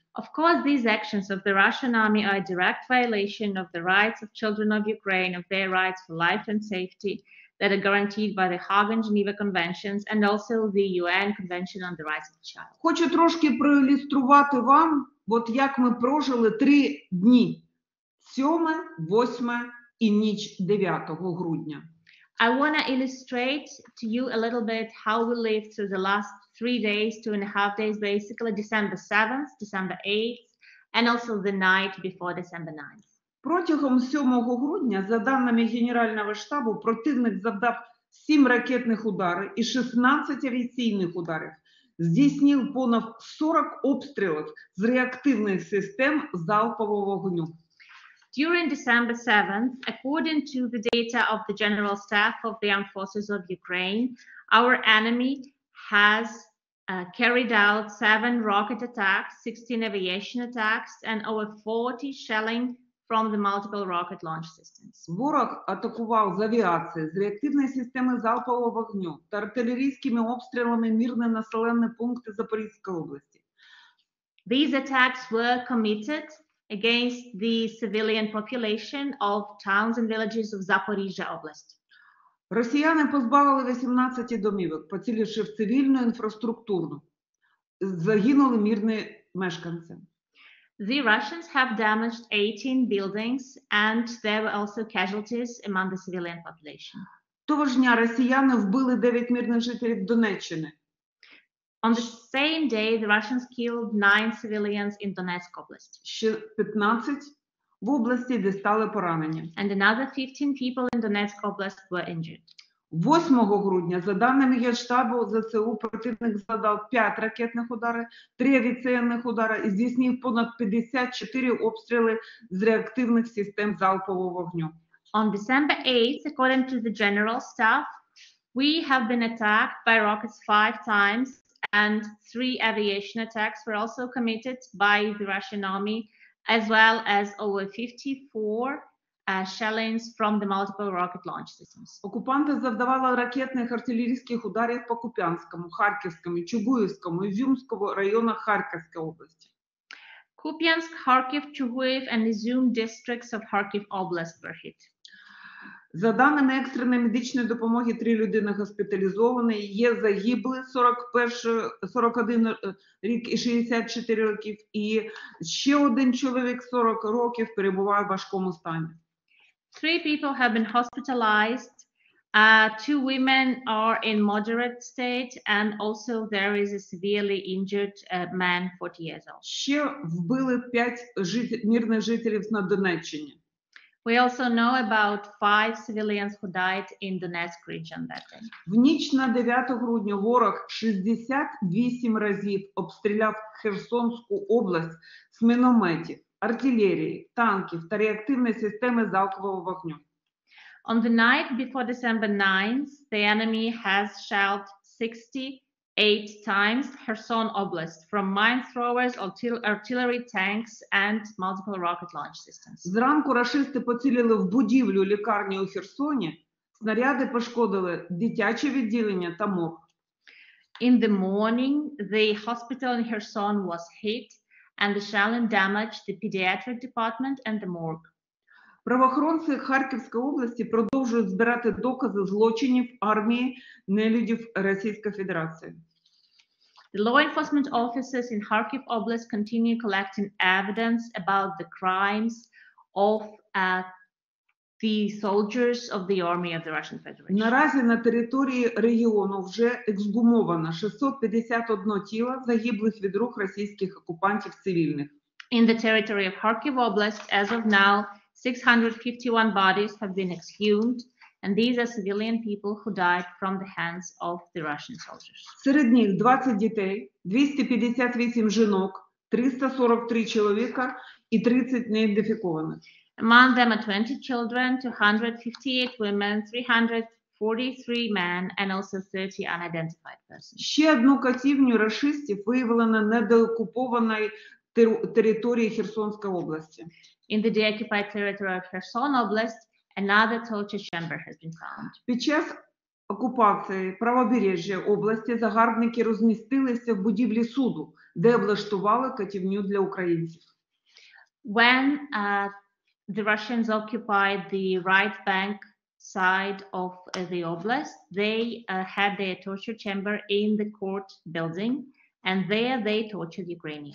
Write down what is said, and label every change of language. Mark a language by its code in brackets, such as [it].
[en] Of course, these actions of the Russian army are a direct violation of the rights of children of Ukraine, of their rights for life and safety, that are guaranteed by the Hague and Geneva Conventions and also the UN Convention on the Rights of the Child. [uk] Хочу трошки проілюструвати вам, от як ми прожили три дні. 7, 8 і ніч 9 грудня. [en] I want to illustrate to you a little bit how we lived through the last three days, two and a half days, basically December 7th, December 8th and also the night before December 9th. [uk] Протягом 7 грудня, за даними Генерального штабу, противник завдав 7 ракетних ударів і 16 авіаційних ударів. Здійснив понад 40 обстрілів з реактивних систем залпового вогню. [en] During December 7th, according to the data of the General Staff of the Armed Forces of Ukraine, our enemy has carried out 7 rocket attacks, 16 aviation attacks, and over 40 shelling from the multiple rocket launch systems. [uk] Ворог атакував з авіації, з реактивної системи залпового вогню та артилерійськими обстрілами мирні населені пункти Запорізької області. [en] These attacks were committed against the civilian population of towns and villages of Zaporizhia Oblast. [uk] Росіяни позбавили 18 домівок, поціливши в цивільну інфраструктуру. Загинули мирні мешканці. [en] The Russians have damaged 18 buildings and there were also casualties among the civilian population. [uk] Того ж дня росіяни вбили 9 мирних жителів Донеччини. [en] On the same day, the Russians killed 9 civilians in Donetsk Oblast. [uk] Ще 15 в області, де стали поранені. [en] And another 15 people in Donetsk Oblast were injured. [uk] 8 грудня, за даними Генштабу ЗСУ, противник завдав 5 ракетних ударів, 3 авіаційних удари і здійснив понад 54 обстріли з реактивних систем залпового вогню. [en] On December 8th, according to the General Staff, we have been attacked by rockets 5 times and 3 aviation attacks were also committed by the Russian army, as well as over 54 shellings from the multiple rocket launch systems. [uk] Окупанти завдавали ракетних артилерійських ударів по Куп'янському, Харківському, Чугуївському, Ізюмському районах Харківської області. [en] Куп'янськ, Харків, Чугуїв and Ізюм districts of Kharkiv Oblast were hit. [uk] За даними екстреної медичної допомоги, 3 людини госпіталізовані, є загиблі 41 рік і 64 років, і ще один чоловік 40 років перебуває в важкому стані. [en] Three people have been hospitalized, two women are in moderate state, and also there is a severely injured man, 40 years old. [uk] Ще вбили 5 мирних жителів на Донеччині. [en] We also know about 5 civilians who died in Donetsk region that day. [uk] В ніч на 9 грудня ворог 68 разів обстріляв Херсонську область з мінометів, артилерії, танків та реактивної системи залпового вогню. [en] On the night before December 9th, the enemy has shelled 68 times Kherson Oblast from mine throwers, artillery tanks and multiple rocket launch systems. [uk] Зранку рашисти поцілили в будівлю лікарні у Херсоні, снаряди пошкодили дитяче відділення та морг. [en] In the morning, the hospital in Kherson was hit and the shelling damaged the pediatric department and the morgue. [uk] Правоохоронці Харківської області продовжують збирати докази злочинів армії нелюдів Російської Федерації. [en] The law enforcement officers in Kharkiv Oblast continue collecting evidence about the crimes of the soldiers of the army of the Russian Federation. [uk] Наразі на території регіону вже ексгумовано 651 тіло загиблих від рук російських окупантів цивільних. [en] In the territory of Kharkiv Oblast, as of now, 651 bodies have been exhumed, and these are civilian people who died from the hands of the Russian soldiers. [uk] Серед них 20 дітей, 258 жінок, 343 чоловіка і 30 неідентифікованих. [en] Among them are 20 children, 258 women, 343 men, and also 30 unidentified persons. [uk] Ще одну катівню рашистів виявили на недеокупованій території Херсонської області. [en] In the deoccupied territory of Kherson Oblast, another torture chamber has been found. [uk] Під час окупації правобережжя області загарбники розмістилися в будівлі суду, де облаштували катівню для українців. [en] When the Russians occupied the right bank side of the oblast, they had their torture chamber in the court building, and there they tortured Ukrainians.